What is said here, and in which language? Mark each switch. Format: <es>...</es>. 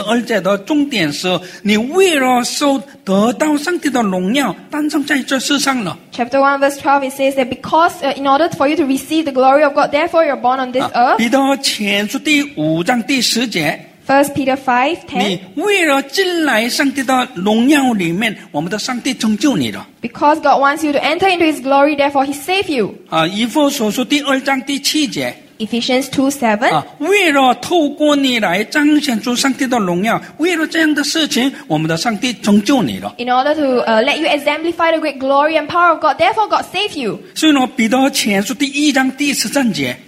<zh>帖撒罗尼迦后书第一章第十二节的重点是。你为了受得到上帝的荣耀，诞生在这世上了。</zh> <en>Chapter 1 verse 12 it says that because in order for you to receive the glory of God, therefore you're born on this earth.</en> <zh>彼得前书第五章第十节。</zh> <en>First Peter 5:10.</en> <zh>你为了进来上帝的荣耀里面，我们的上帝拯救你了。</zh> <en>Because God wants you to enter into His glory, therefore He saved you.</en> <zh>以弗所书第二章第七节。</zh> <en>Ephesians 2:7.</en> <zh>为了透过你来彰显出上帝的荣耀，为了这样的事情，我们的上帝拯救你了。</zh> <en>In order to let you exemplify the great glory and power of God, therefore God saved you.</en> <zh>所以呢，彼得前书第一章第十三节。</zh>